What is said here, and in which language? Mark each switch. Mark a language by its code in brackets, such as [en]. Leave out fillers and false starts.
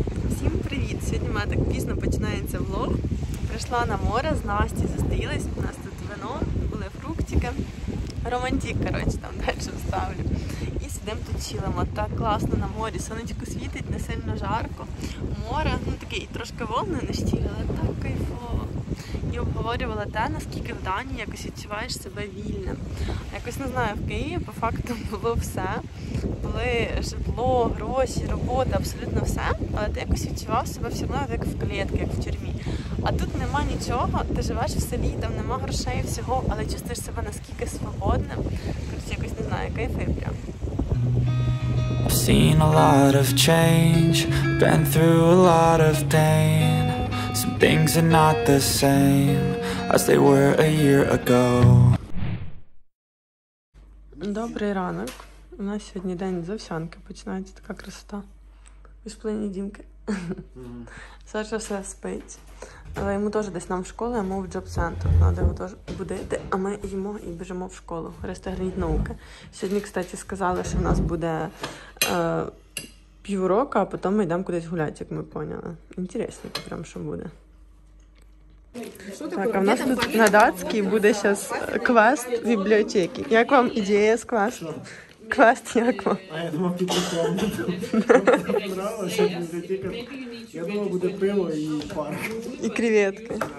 [uk] Всім привіт! Сьогодні у мене так пізно починається влог. Прийшла на море з Настю, зустрілись. У нас тут вино, були фруктики. Романтик, короче, там дальше вставлю. І сидимо тут чилимо. Так класно на морі. Сонечко світить, не сильно жарко. Море, таке і трошки волни на щілі, але так кайфово. І обговорювала те, наскільки в Данії якось відчуваєш себе вільним. Якось, не знаю, в Києві по факту було все. Були житло, гроші, робота, абсолютно все. Але ти якось відчував себе все одно як в клітці, як в тюрмі. А тут нема нічого, ти живеш в селі, там нема грошей, всього, але чувствуєш себе наскільки свободним. Короче, якось не знаю, кайфує прям. [en] I've seen a lot of change, been through a lot of pain. Some things are not the same as they were a year ago. [uk] Добрий ранок. У нас сьогодні день з овсянки, починається така красота. Ось плені Дімки. Саша все спить. Але йому теж десь нам в школу, йому в джоб-центр. Треба його теж будити, а ми їмо і біжимо в школу. Решта граніт науки. Сьогодні, кстати, сказали, що в нас буде півроку, а потім ми йдемо кудись гуляти, як ми поняли. Інтересно, прям, що буде. [ru] Так, а у нас тут на датский будет сейчас квест в библиотеке. Как вам идея с квестом? Квест, как вам? А я думал, что вам понравилось, библиотека. Я думал, будет пиво и парк. И креветки.